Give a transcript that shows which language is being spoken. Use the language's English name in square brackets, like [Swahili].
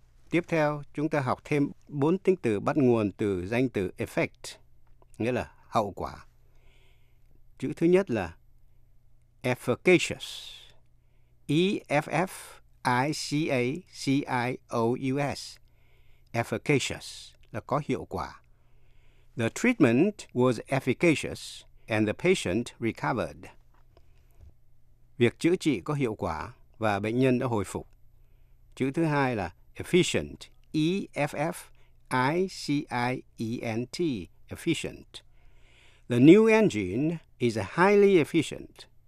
[Vietnamese] Tiếp theo, chúng ta học thêm bốn tính từ bắt nguồn từ danh từ effect, nghĩa là hậu quả. Chữ thứ nhất là efficacious, E-F-F-I-C-A-C-I-O-U-S, efficacious, là có hiệu quả. [English] The treatment was efficacious and the patient recovered. [Vietnamese] Việc chữa trị có hiệu quả và bệnh nhân đã hồi phục. Chữ thứ hai là efficient, E-F-F-I-C-I-E-N-T, efficient. [English] The new engine is highly efficient.